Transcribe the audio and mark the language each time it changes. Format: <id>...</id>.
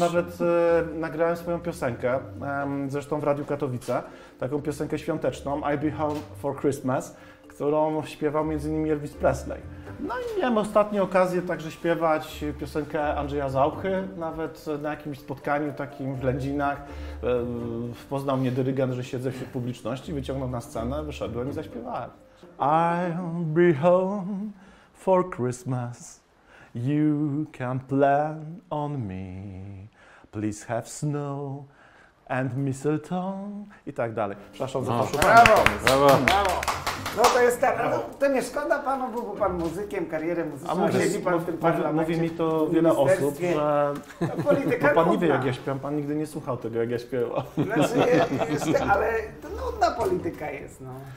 <pl>Nawet nagrałem swoją piosenkę, zresztą w Radiu Katowice, taką piosenkę świąteczną, I'll Be Home for Christmas, którą śpiewał między innymi Elvis Presley. No i miałem ostatnio okazję także śpiewać piosenkę Andrzeja Zauchy, nawet na jakimś spotkaniu takim w Lędzinach. Poznał mnie dyrygent, że siedzę wśród publiczności, wyciągnął na scenę, wyszedłem i zaśpiewałem.</pl> <en>I'll be home for Christmas, you can plan on me, please have snow and mistletoe</en> <pl>i tak dalej. Przepraszam za to. Brawo! No to jest tak, to nie szkoda panu, bo pan muzykiem, karierę muzyczną. A mówi, jest, pan w tym parlamencie, mówi mi to wiele osób, że polityka pan nie wie, jak ja śpiewam, pan nigdy nie słuchał tego, jak ja śpiewam. Znaczy, ale to nudna polityka jest, no.</pl>